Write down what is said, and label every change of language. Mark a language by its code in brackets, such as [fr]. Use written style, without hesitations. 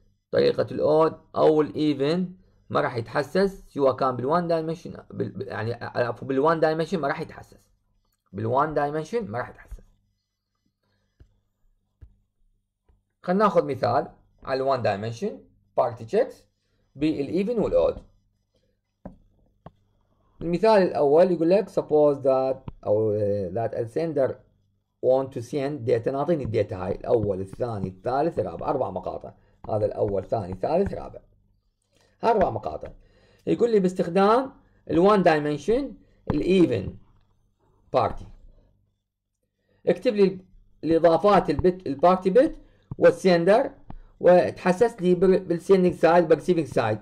[ar] طريقه الاود او الايفن ما راح يتحسس سواء كان بالوان دايمنشن يعني عفوا بالوان دايمنشن ما راح يتحسس. بالوان دايمنشن ما راح يتحسس. خلينا ناخذ مثال على الوان دايمنشن بارتي تشيكس بالايفن والاود. المثال الاول يقول لك [en] suppose that او that a sender want to send data. [ar] نعطيني الداتا هاي الاول الثاني الثالث الرابع اربع مقاطع. هذا الاول ثاني ثالث رابع اربع مقاطع. يقول لي باستخدام الوان دايمنشن الايفن بارتي اكتب لي الاضافات البت البارتي بت والسندر وتحسس لي بالسيندنج سايد بالريسيفنج سايد.